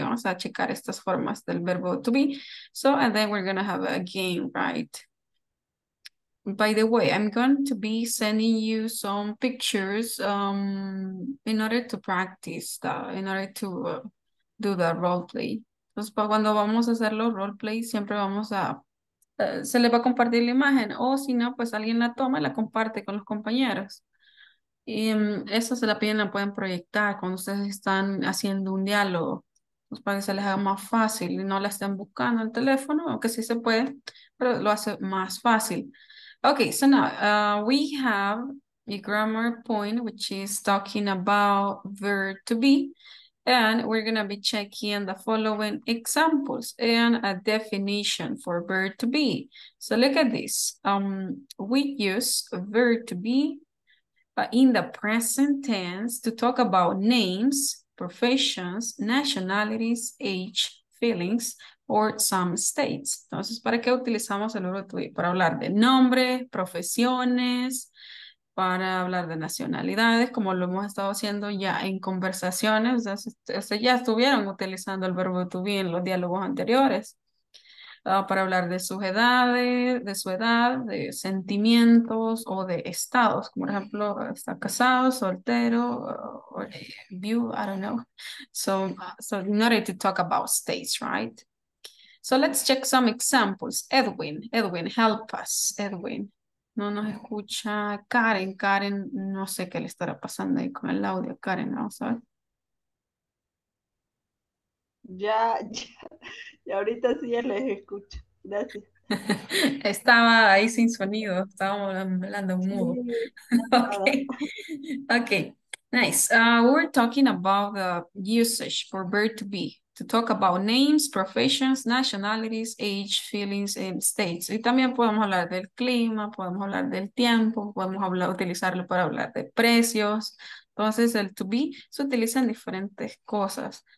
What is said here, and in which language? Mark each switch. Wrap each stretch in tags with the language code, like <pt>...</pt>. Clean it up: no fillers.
<es>Vamos a checar estas formas del verbo</es> <en>to be. So, and then we're gonna have a game, right? By the way, I'm going to be sending you some pictures in order to practice that, in order to do the role play.</en> <es>Entonces, pues, cuando vamos a hacer los role play, siempre vamos a, se les va a compartir la imagen, o si no, pues alguien la toma y la comparte con los compañeros. Y eso se la piden, la pueden proyectar cuando ustedes están haciendo un diálogo. Pues, para que se les haga más fácil y no la estén buscando el teléfono, aunque sí se puede, pero lo hace más fácil.</es> <en>Okay, so now we have a grammar point, which is talking about verb to be, and we're going to be checking the following examples and a definition for verb to be. So look at this. We use verb to be in the present tense to talk about names, professions, nationalities, age, feelings, or some states.</en> <es>Entonces, ¿para qué utilizamos el verbo to be? Para hablar de nombres, profesiones, para hablar de nacionalidades, como lo hemos estado haciendo ya en conversaciones. Ustedes ya estuvieron utilizando el verbo to be en los diálogos anteriores. Para hablar de sus edades, de su edad, de sentimientos o de estados. Como por ejemplo, está casado, soltero,</es> <en>or view, I don't know. So in order to talk about states, right? So let's check some examples. Edwin, help us, Edwin.</en> <es>No nos escucha Karen, no sé qué le estará pasando ahí con el audio, Karen, vamos a ver. Ya, ahorita sí ya les escucho, gracias. Estaba ahí sin sonido, estábamos hablando mudo.</es> <en>Okay, nice. We're talking about the usage for verb to be, to talk about names, professions, nationalities, age, feelings, and states.</en> <es>Y también podemos hablar del clima, podemos hablar del tiempo, podemos hablar, utilizarlo para hablar de precios. Entonces, el to be se utiliza en diferentes cosas.</es>